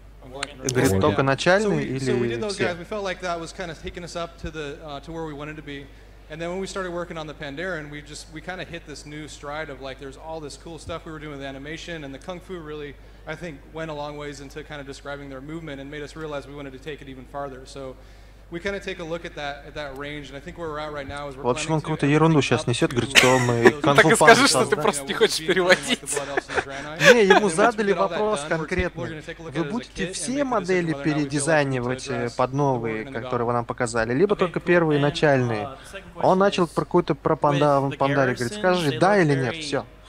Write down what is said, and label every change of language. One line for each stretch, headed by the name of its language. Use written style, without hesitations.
Russian: Говорит, только начальный или все?
English: And then when we started working on the Pandaren, we kind of hit this new stride of like there's all this cool stuff we were doing with animation and the kung fu really I think went a long ways into kind of describing their movement and made us realize we wanted to take it even farther. So we kind of take a look at that range and I think where we're at right now is we're planning to.
Russian: Вот что он какую-то ерунду сейчас несет, говорит, что мы кунг-фу. Так и скажи, что ты просто не хочешь переводить. Не, ему задали вопрос конкретный. Вы будете все модели передизайнивать под новые, которые вы нам показали, либо только первые начальные? Он начал про какую-то про пандарию, говорит, скажи, да или нет, все.